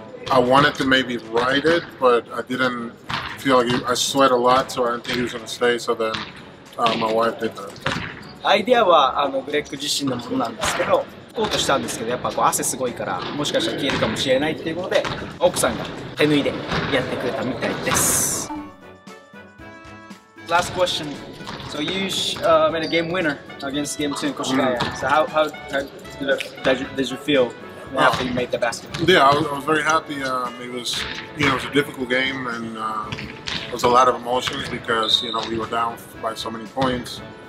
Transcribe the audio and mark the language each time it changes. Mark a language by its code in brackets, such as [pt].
[en] I wanted to maybe write it, but I didn't feel like I sweat a lot, so I didn't think he was going to stay, so then my wife did that. [ja] アイディアはグレッグ自身のものなんですけど、聞こうとしたんですけど、やっぱこう汗すごいから、もしかしたら消えるかもしれないっていうことで、奥さんが手縫いでやってくれたみたいです。 [en] Last question. So you made a game winner against game two, Koshigaya. So how did you feel after you made the basket? Yeah, I was very happy. It was a difficult game, and it was a lot of emotions because, you know, we were down by so many points.